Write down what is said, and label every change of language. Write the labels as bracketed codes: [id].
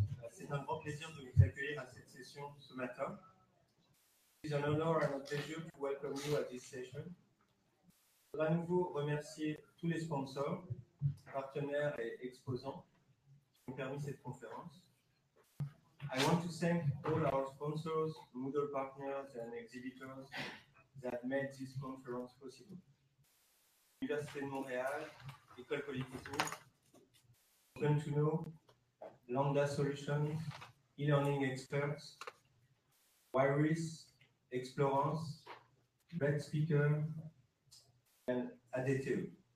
[fr] C'est un grand plaisir de vous accueillir à cette session ce matin. [en] It's an honor and a pleasure to welcome you at this session. [fr] Je voudrais à nouveau remercier tous les sponsors, partenaires et exposants qui ont permis cette conférence. [en] I want to thank all our sponsors, Moodle partners and exhibitors that made this conference possible. [fr] Université de Montréal, École Polytechnique, Open to Know, Lambda Solutions, E-Learning Experts, Wireless, Explorance, Red Speaker, and ADTE.